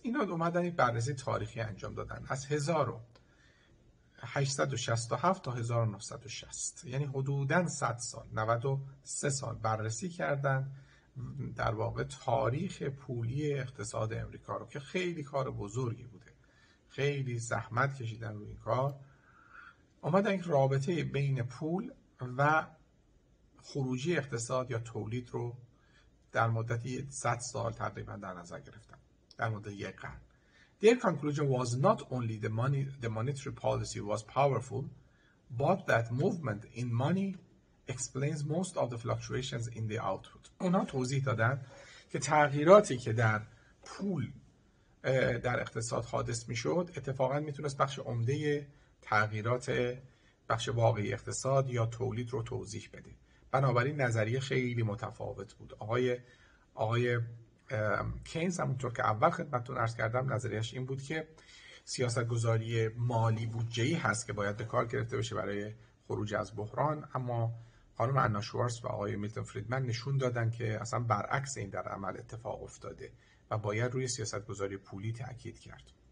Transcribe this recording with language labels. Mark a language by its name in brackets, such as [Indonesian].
[Persian] اینا اومدن یک بررسی تاریخی انجام دادن از 1867 تا 1960، یعنی حدوداً 100 سال، 93 سال بررسی کردن در واقع تاریخ پولی اقتصاد امریکا رو، که خیلی کار بزرگی بوده، خیلی زحمت کشیدن روی این کار. اومدن یک رابطه بین پول و خروجی اقتصاد یا تولید رو در مدتی 100 سال تقریبا در نظر گرفتم، در مدت یک قرن. [English] Their conclusion was not only the monetary policy was powerful but that movement in money explains most of the fluctuations in the output. [Persian] اونا توضیح دادن که تغییراتی که در پول در اقتصاد حادث میشد اتفاقا میتونست بخش عمده تغییرات بخش واقعی اقتصاد یا تولید رو توضیح بده. بنابراین نظریه خیلی متفاوت بود. آقای کینز همونطور که اول خدمتتون عرض کردم نظریش این بود که سیاست گذاری مالی بودجه‌ای هست که باید به کار گرفته بشه برای خروج از بحران، اما خانم آنا شوارتز و آقای میلتون فریدمن نشون دادن که اصلا برعکس این در عمل اتفاق افتاده و باید روی سیاست گذاری پولی تاکید کرد.